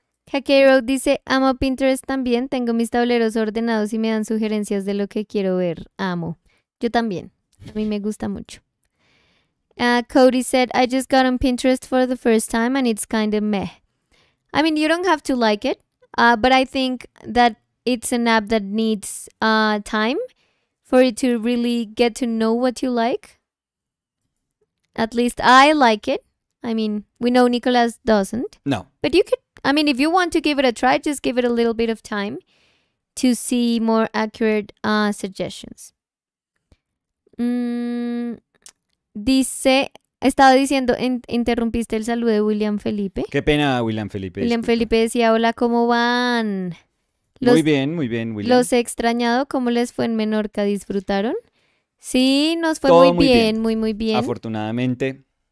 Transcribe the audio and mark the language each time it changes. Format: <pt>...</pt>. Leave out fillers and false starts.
<es>Hakeiro dice, amo Pinterest también, tengo mis tableros ordenados y me dan sugerencias de lo que quiero ver, amo. Yo también, a mí me gusta mucho.</es> <en>Cody said, I just got on Pinterest for the first time and it's kind of meh. I mean, you don't have to like it, but I think that it's an app that needs time for it to really get to know what you like. At least I like it. I mean, we know Nicolas doesn't. No. But you could, I mean, if you want to give it a try, just give it a little bit of time to see more accurate suggestions. Dice</en> <es>Estaba diciendo, interrumpiste el saludo de William Felipe. Qué pena, William Felipe. William Felipe decía, hola, ¿cómo van? Muy bien, William. Los he extrañado, ¿cómo les fue en Menorca? ¿Disfrutaron? Sí, nos fue Todo muy bien, muy bien. Afortunadamente.</es>